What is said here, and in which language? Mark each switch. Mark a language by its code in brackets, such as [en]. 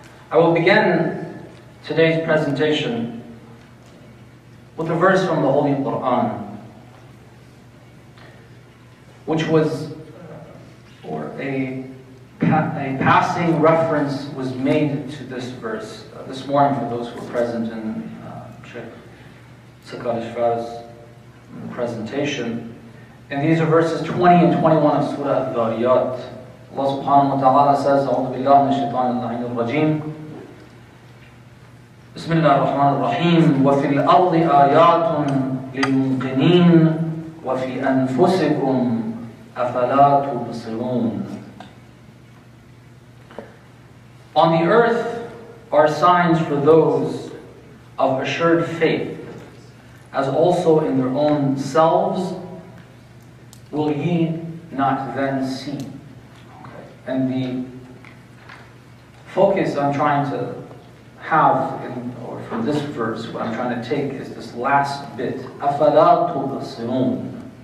[en] I will begin today's presentation with a verse from the Holy Quran, which was, or a passing reference was made to this verse this morning for those who were present in Sheikh Sakar Ishfar's presentation. And these are verses 20 and 21 of Surah Dhariyat. Allah subhanahu wa ta'ala says, [ar] أعوذ بالله من الشيطان اللعين الرجيم. بسم الله الرحمن الرحيم. وفي الأرض آيات للموقنين وفي أنفسكم أَفَلَا تُبْصِرُونَ. [en] On the earth are signs for those of assured faith, as also in their own selves, will ye not then see? Okay. And the focus I'm trying to have in, or from this verse, what I'm trying to take is this last bit, [ar] أَفَلَا تُبْصِرُونَ.